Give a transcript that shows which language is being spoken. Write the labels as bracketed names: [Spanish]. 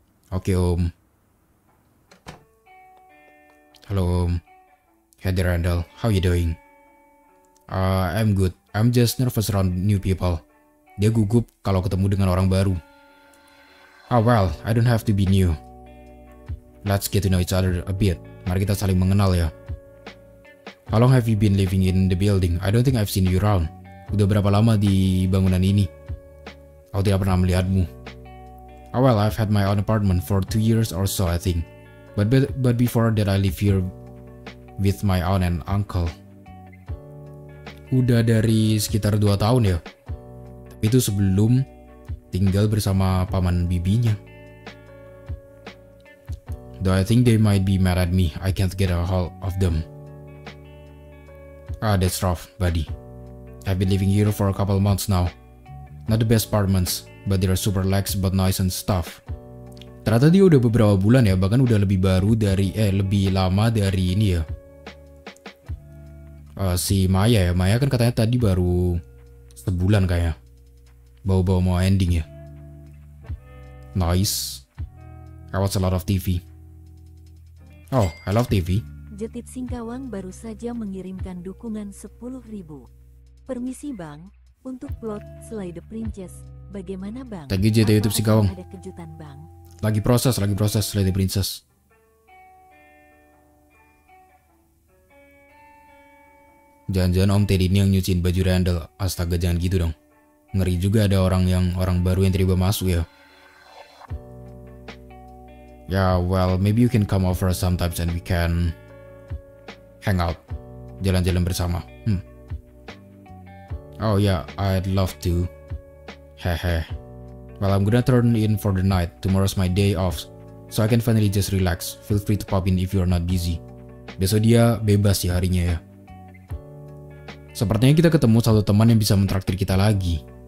[English] Oke om. Halo om. Hey there, Randall. How you doing? I'm good. I'm just nervous around new people. [Indonesian] Dia gugup kalau ketemu dengan orang baru. [English] Oh well, I don't have to be new. Let's get to know each other a bit. [Indonesian] Mari kita saling mengenal ya. [English] How long have you been living in the building? I don't think I've seen you around. [Indonesian] Udah berapa lama di bangunan ini? Aku tidak pernah melihatmu. [English] Oh well, I've had my own apartment for 2 years or so, I think. But before that, I live here with my aunt and uncle. [Indonesian] Udah dari sekitar 2 tahun ya. Tapi itu sebelum tinggal bersama paman bibinya. [English] Though I think they might be mad at me, I can't get a hold of them. Ah, that's rough, buddy. I've been living here for a couple months now. Not the best apartments, but they're super lax but nice and stuff. [Indonesian] Ternyata dia udah beberapa bulan ya, bahkan udah lebih lama dari ini ya. Si Maya ya, Maya kan katanya tadi baru sebulan kayaknya. Bawa-bawa mau ending ya. [English] Nice. I watch a lot of TV. Oh, I love TV. [Indonesian] Jetit Singkawang baru saja mengirimkan dukungan 10.000. Permisi bang, untuk plot Slay the Princess, bagaimana bang? [English] Thank you [Indonesian] Jetit YouTube Singkawang. Ada kejutan bang. Lagi proses Slay the Princess. Jangan-jangan Om Teddy ini yang nyuciin baju Randall. Astaga, jangan gitu dong. Ngeri juga ada orang baru yang tiba-tiba masuk ya. [English] Yeah, well, maybe you can come over sometimes and we can hang out. [Indonesian] Jalan-jalan bersama. [English] Oh yeah, I'd love to. Hehe. Well, I'm gonna turn in for the night. Tomorrow's my day off, so I can finally just relax. Feel free to pop in if you're not busy. [Indonesian] Besok dia bebas ya harinya ya. Sepertinya kita ketemu satu teman yang bisa mentraktir kita lagi.